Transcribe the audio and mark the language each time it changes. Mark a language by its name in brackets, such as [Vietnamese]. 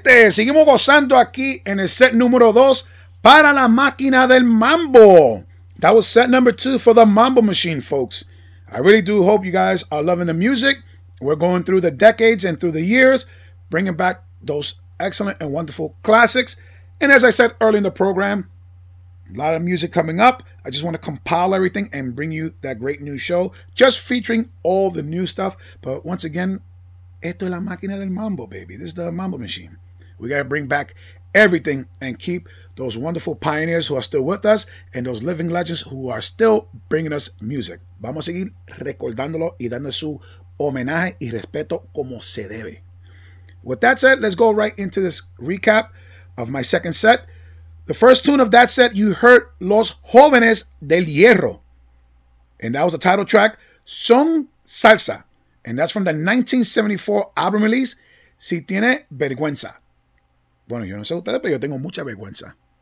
[Spanish] Seguimos gozando aquí en el set número 2 para la máquina del Mambo. [English] That was set number 2 for the Mambo Machine, folks. I really do hope you guys are loving the music. We're going through the decades and through the years, bringing back those excellent and wonderful classics. And as I said earlier in the program, a lot of music coming up. I just want to compile everything and bring you that great new show, just featuring all the new stuff. But once again, [Spanish] esto es la máquina del Mambo, [English] baby. This is the Mambo Machine. We got to bring back everything and keep those wonderful pioneers who are still with us and those living legends who are still bringing us music. [Spanish] Vamos a seguir recordándolo y dando su homenaje y respeto como se debe. [English] With that said, let's go right into this recap of my second set. The first tune of that set, you heard Los Jóvenes del Hierro. And that was the title track, Son Salsa. And that's from the 1974 album release, Si Tiene Vergüenza. [Spanish] Bueno, yo no sé ustedes, pero yo tengo mucha vergüenza.